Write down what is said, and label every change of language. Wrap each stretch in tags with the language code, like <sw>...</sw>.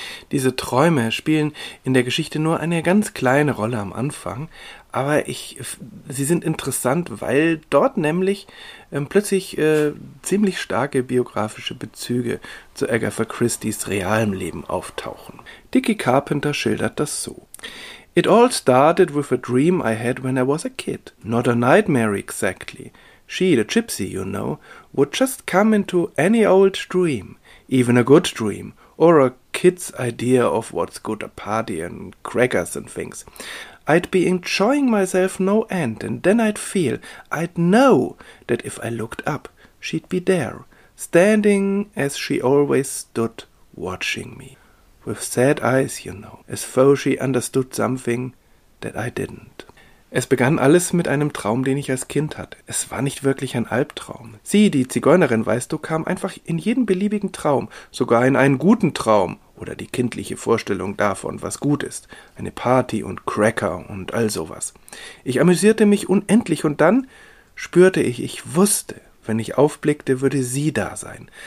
<de>Diese Träume spielen in der Geschichte nur eine ganz kleine Rolle am Anfang, aber sie sind interessant, weil dort nämlich plötzlich ziemlich starke biografische Bezüge zu Agatha Christies realem Leben auftauchen. Dickie Carpenter schildert das so.</de> <en>It all started with a dream I had when I was a kid. Not a nightmare exactly. She, the gypsy, you know, would just come into any old dream, even a good dream, or a kid's idea of what's good, a party and crackers and things. I'd be enjoying myself no end, and then I'd feel, I'd know, that if I looked up, she'd be there, standing as she always stood, watching me. With sad eyes, you know, as though she understood something that I didn't.</en> <de>Es begann alles mit einem Traum, den ich als Kind hatte. Es war nicht wirklich ein Albtraum. Sie, die Zigeunerin, weißt du, kam einfach in jeden beliebigen Traum, sogar in einen guten Traum oder die kindliche Vorstellung davon, was gut ist. Eine Party und Cracker und all sowas. Ich amüsierte mich unendlich und dann spürte ich wusste, wenn ich aufblickte, würde sie da sein.</de>